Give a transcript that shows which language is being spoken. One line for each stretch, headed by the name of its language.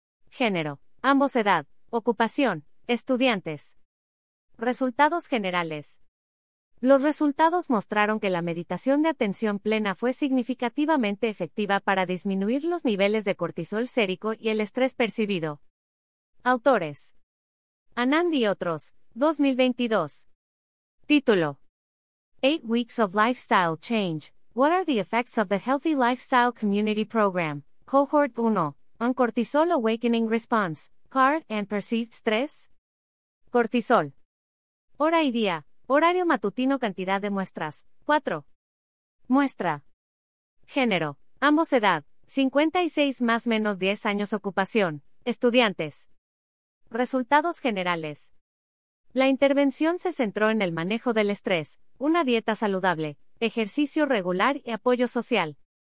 Spanish: Género, ambos, edad, ocupación, estudiantes. Resultados generales. Los resultados mostraron que la meditación de atención plena fue significativamente efectiva para disminuir los niveles de cortisol sérico y el estrés percibido. Autores: Anand y otros, 2022.
English: Título: 8 Weeks of Lifestyle Change, What are the Effects of the Healthy Lifestyle Community Program, Cohort 1, on Cortisol Awakening Response, CARD and Perceived Stress?
Spanish: Cortisol. Hora y día, horario matutino, cantidad de muestras, 4. Muestra. Género, ambos, edad, 56 más menos 10 años, ocupación, estudiantes. Resultados generales. La intervención se centró en el manejo del estrés, una dieta saludable, ejercicio regular y apoyo social.